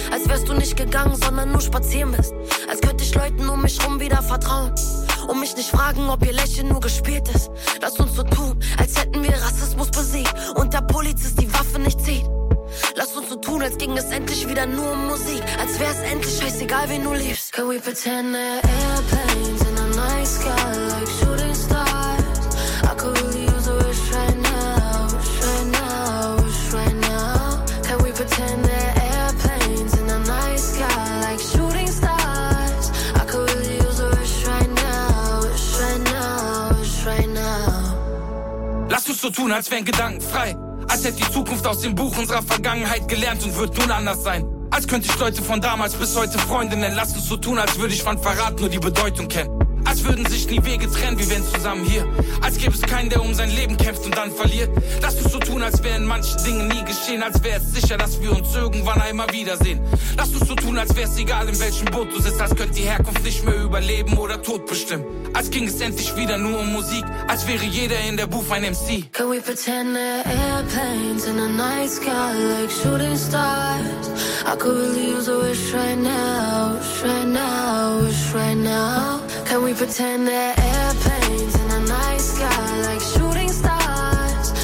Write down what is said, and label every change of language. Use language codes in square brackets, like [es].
[de] Als wärst du nicht gegangen, sondern nur spazieren bist. Als könnte ich Leuten um mich rum wieder vertrauen. Und mich nicht fragen, ob ihr Lächeln nur gespielt ist. Lass uns so tun, als hätten wir Rassismus besiegt. Und der Polizist die Waffe nicht zieht. Lass uns so tun, als ging es endlich wieder nur um Musik. Als wär's endlich scheißegal, wen du liebst. [en] Can we pretend they're airplanes in a night sky like shooting stars? I could use a wish right now, wish right now, wish right now. Can we pretend they're airplanes in a night sky like shooting stars? I could use a wish right now, wish right now, wish right now. [de] Lass uns so tun, als wären Gedanken frei. Als hätte die Zukunft aus dem Buch unserer Vergangenheit gelernt und wird nun anders sein. Als könnte ich Leute von damals bis heute Freunde nennen. Lass uns so tun, als würde ich von Verrat nur die Bedeutung kennen. Als würden sich nie Wege trennen, wir wären zusammen hier. Als gäbe es keinen, der um sein Leben kämpft und dann verliert. Lass uns so tun, als wären manche Dinge nie geschehen. Als wäre es sicher, dass wir uns irgendwann einmal wiedersehen. Lass uns so tun, als wäre es egal, in welchem Boot du sitzt. Als könnte die Herkunft nicht mehr über Leben oder Tod bestimmen. Als ging es endlich wieder nur um Musik. Als wäre jeder in der Booth ein MC. [en] Can we pretend they're airplanes in the night sky like shooting stars? I could really use a wish right now, wish right now, wish right now. Can we pretend they're airplanes in the night sky like shooting stars?